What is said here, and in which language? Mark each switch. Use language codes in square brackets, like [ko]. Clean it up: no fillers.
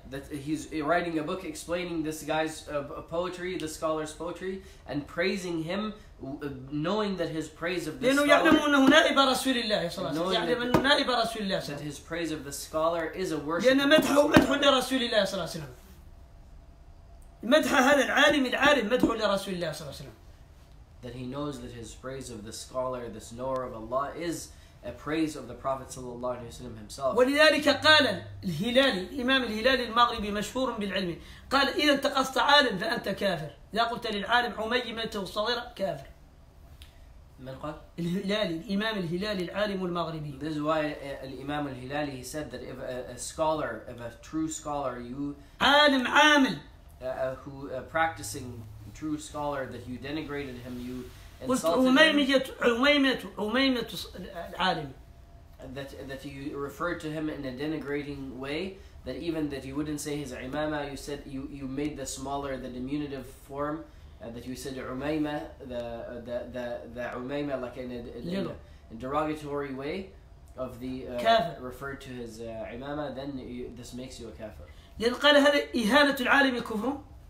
[en] That he's writing a book explaining this guy's poetry, the scholar's poetry, and praising him, knowing that his praise of the scholar. [ar] لأنه يعلم أنه نائب رسول الله صلى الله عليه وسلم. يعلم أنه نائب رسول الله. [en] That his praise of the scholar is a worship. [ar] لأن مدحه مدح لرسول الله صلى الله عليه وسلم. مدح هذا العالم العالم مدح لرسول الله صلى الله عليه وسلم. [en] That he knows that his praise of the scholar, this knower of Allah, is a praise of the Prophet صلى الله عليه وسلم himself. [ar] ولذلك قال الهلالي إمام الهلالي المغربي مشهور بالعلم قال إذا انتقصت عالم فأنت كافر. إذا قلت للعالم عمي منته الصغيرة كافر. من قال؟ الهلالي الإمام الهلالي العالم المغربي. [en] This is why الإمام الهلالي he said that if a scholar, if a true scholar, you [ar] عالم عامل [en] who practicing true scholar that you denigrated him, you insulted him. That you referred to him in a denigrating way, that even that you wouldn't say his imama, you said you made the smaller, the diminutive form, that you said umayma, the umayma, like in a derogatory way of the [ar] كافر. [en] Referred to his imama, then this makes you a kafir. [ar] لأن قال هذا إهانة العالم كفر.